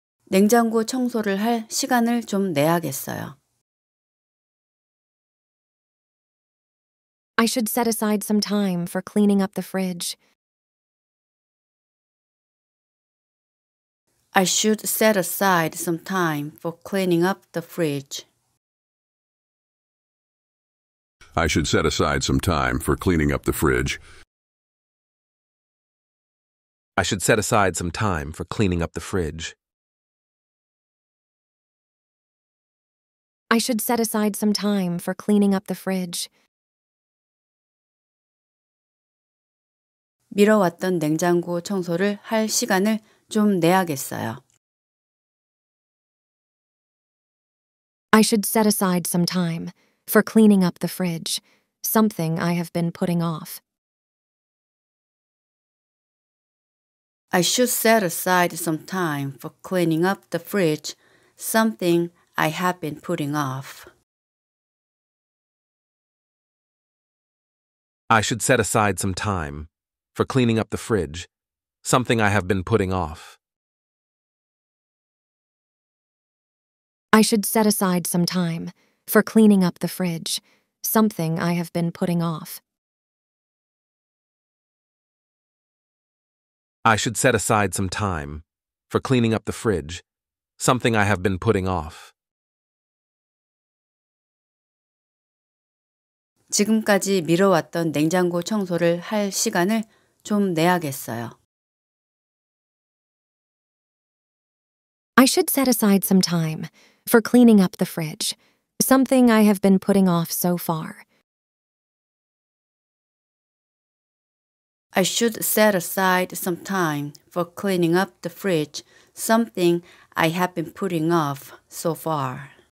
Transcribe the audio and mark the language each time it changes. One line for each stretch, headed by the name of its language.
Korean: 냉장고 청소를 할 시간을 좀 내야겠어요.
English: I should set aside some time for cleaning up the fridge. I should set aside some time for cleaning up the fridge. I should set aside some time for cleaning up the fridge. I should set aside some time for cleaning up the fridge. I should set aside some time for cleaning up the fridge.
Korean: 미뤄왔던 냉장고 청소를 할 시간을 좀 내야겠어요.
English: I should set aside some time for cleaning up the fridge, something I have been putting off. I should set aside some time for cleaning up the fridge, something I have been putting off. I should set aside some time for cleaning up the fridge, something I have been putting off. I should set aside some time for cleaning up the fridge, something I have been putting off. I should set aside some time for cleaning up the fridge, something I have been putting off.
Korean: 지금까지 미뤄왔던 냉장고 청소를 할 시간을 좀 내야겠어요.
English: I should set aside some time for cleaning up the fridge, something I have been putting off so far. I should set aside some time for cleaning up the fridge, something I have been putting off so far.